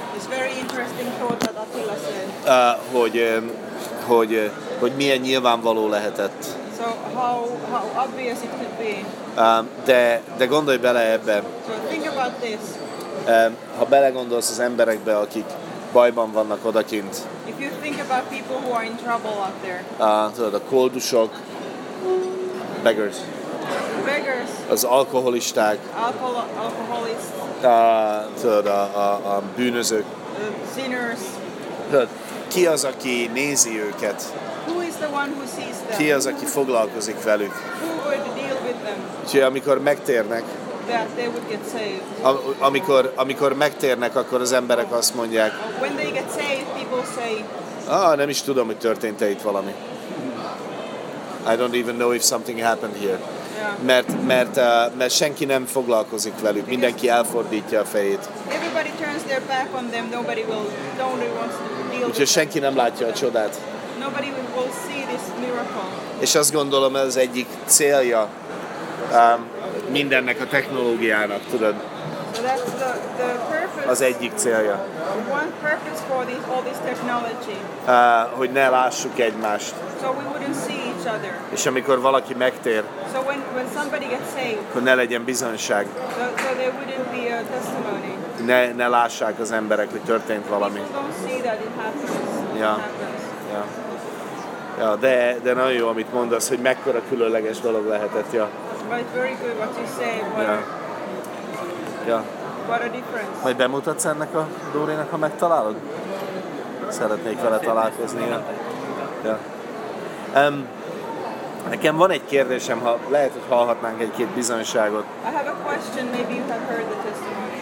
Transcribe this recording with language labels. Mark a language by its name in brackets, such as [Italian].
[English] It's very interesting thought that Attila said. [Hungarian] Hogy milyen nyilvánvaló lehetett. [English] So how obvious it could be. De [Hungarian] gondolj bele ebbe. [English] So think about this. [Hungarian] Ha belegondolsz az emberekbe, akik bajban vannak odakint. [English] If you think about people who are in trouble out there. [Hungarian] Tudod, a koldusok, beggars. [English] Beggars. [Hungarian] Az alkoholisták. [English] Alcoholists. [Hungarian] Tudod, a bűnözők. [English] Sinners. [Hungarian] Tudod, ki az, aki nézi őket? [English] The one who sees them. [Hungarian] Ki az, aki foglalkozik velük? [English] Who would deal with them? [Hungarian] Úgyhogy amikor megtérnek, [English] that they would get saved. [Hungarian] Amikor megtérnek, akkor az emberek azt mondják, [English] when they get saved, people say, [Hungarian] nem is tudom, hogy történt-e itt valami. [English] I don't even know if something happened here. Yeah. [Hungarian] Mert senki nem foglalkozik velük, because mindenki elfordítja a fejét. [English] Everybody turns their back on them, nobody wants to deal. [Hungarian] Úgyhogy senki nem látja a csodát. [English] Nobody will see this miracle. [Hungarian] És azt gondolom, ez az egyik célja mindennek a technológiának, tudod? [English] So that's the purpose, [Hungarian] az egyik célja. [English] One purpose for all this technology. [Hungarian] Hogy ne lássuk egymást. [English] So we wouldn't see each other. [Hungarian] És amikor valaki megtér, [English] so when somebody gets saved, [Hungarian] akkor ne legyen bizonyság. [English] So there wouldn't be a testimony. [Hungarian] Ne lássák az emberek, hogy történt valami. [English] People don't see that it happens. Yeah. It happens. [Hungarian] Ja, de nagyon jó, amit mondasz, hogy mekkora különleges dolog lehetett, ja. [English] But very good what you say. What a difference. [Hungarian] Majd bemutatsz ennek a Dórinak, ha megtalálod? Szeretnék vele találkozni. Nekem van egy kérdésem, ha lehet, hogy hallhatnánk egy-két bizonyságot. [English] I have a question, maybe you have heard the testimony.